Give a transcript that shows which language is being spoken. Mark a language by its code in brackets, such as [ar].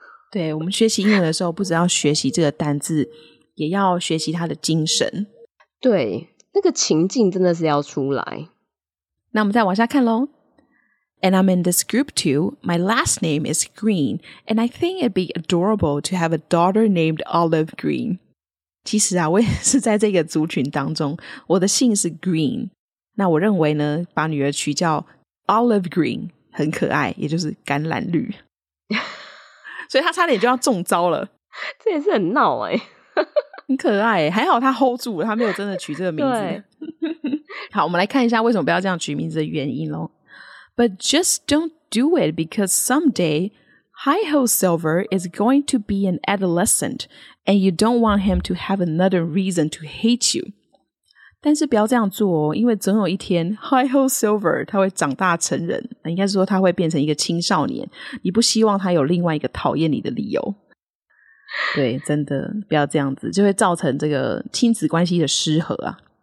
[zh] 对，我们学习英文的时候，不只要学习这个单字，也要学习它的精神。对，那个情境真的是要出来。那我们再往下看咯。 [en] And I'm in this group too. My last name is Green, and I think it'd be adorable to have a daughter named Olive Green. [zh] 其实啊，我也是在这个族群当中，我的姓是 Green。那我认为呢，把女儿取叫 Olive Green 很可爱，也就是橄榄绿。所以她差点就要中招了。这也是很闹哎，很可爱，还好她 hold 住，她没有真的取这个名字。好，我们来看一下为什么不要这样取名字的原因咯。 [en] But just don't do it because someday Hi-Ho Silver is going to be an adolescent and you don't want him to have another reason to hate you. [zh] 但是不要这样做哦，因为总有一天 Hi-Ho Silver 他会长大成人，应该是说他会变成一个青少年，你不希望他有另外一个讨厌你的理由。对，真的不要这样子，就会造成这个亲子关系的失和啊。